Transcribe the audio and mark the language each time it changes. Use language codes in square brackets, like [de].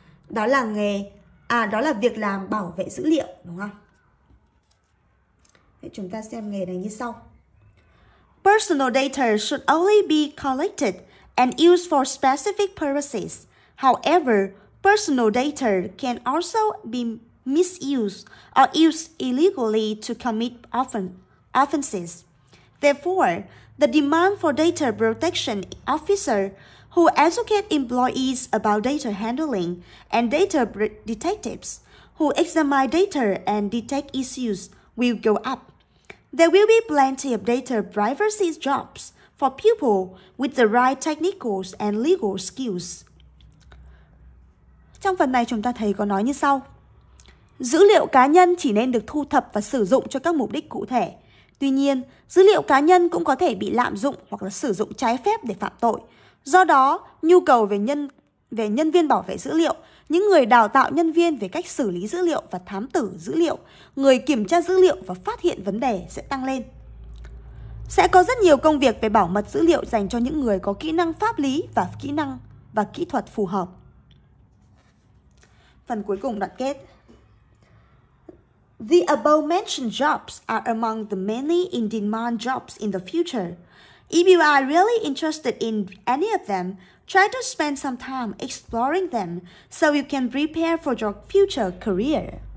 [vi] Đó là nghề, đó là việc làm bảo vệ dữ liệu, đúng không? Để chúng ta xem nghề này như sau. [en] Personal data should only be collected and used for specific purposes. However, personal data can also be misuse or use illegally to commit offenses. Therefore, the demand for data protection officers who educate employees about data handling and data detectives who examine data and detect issues will go up. There will be plenty of data privacy jobs for people with the right technical and legal skills. [vi] Trong phần này chúng ta thấy có nói như sau. Dữ liệu cá nhân chỉ nên được thu thập và sử dụng cho các mục đích cụ thể. Tuy nhiên, dữ liệu cá nhân cũng có thể bị lạm dụng hoặc là sử dụng trái phép để phạm tội. Do đó, nhu cầu về nhân viên bảo vệ dữ liệu, những người đào tạo nhân viên về cách xử lý dữ liệu và thám tử dữ liệu, người kiểm tra dữ liệu và phát hiện vấn đề sẽ tăng lên. Sẽ có rất nhiều công việc về bảo mật dữ liệu dành cho những người có kỹ năng pháp lý và kỹ năng và kỹ thuật phù hợp. Phần cuối cùng đoạn kết. [en] The above mentioned jobs are among the many in demand jobs in the future. If you are really interested in any of them, try to spend some time exploring them so you can prepare for your future career.